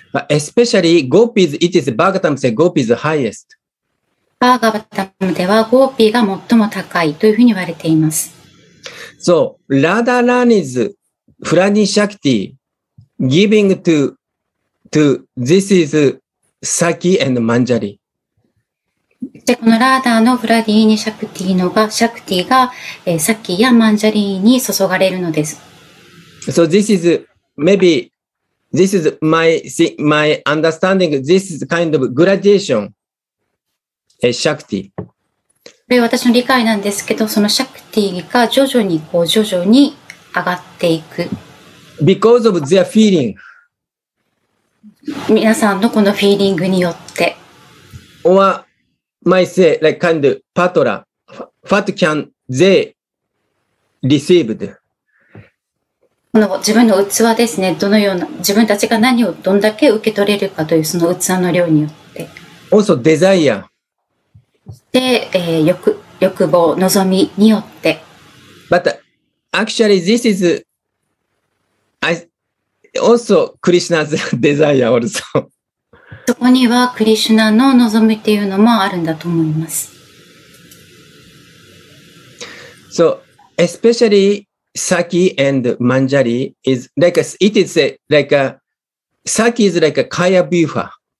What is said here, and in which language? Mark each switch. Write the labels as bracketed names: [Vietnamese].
[English] Especially gopis, it is Bhagavatam says gopis highest. [Japanese] Bhagavatam ではゴーピーが最も高いというふうに言われています。 [English] So, Radha Rani's Phrani Shakti giving to this is Saki and Manjari. [Japanese] でこのラーダーのフラディーニ・シャクティが、サキやマンジャリーに注がれるのです。 [English] So this is maybe this is my understanding. This is kind of graduation, シャクティ。 [Japanese] これ私の理解なんですけど、そのシャクティが徐々に上がっていく。 [English] Because of their feeling. [Japanese] 皆さんのこのフィーリングによって。 [English] Or,My say, like kind of patra, what can they receive? [Japanese] この自分の器ですね。どのような自分たちが何をどんだけ受け取れるかというその器の量によって。 [English] Also desire. [Japanese] で、欲望、望みによって。 [English] But actually, this is also Krishna's desire also. [Japanese] そこにはクリシュナの望みっていうのもあるんだと思います。 [English] So, especially Sakhi and Manjari is like a, it is a, like a Sakhi is like a Kaya Bhuva.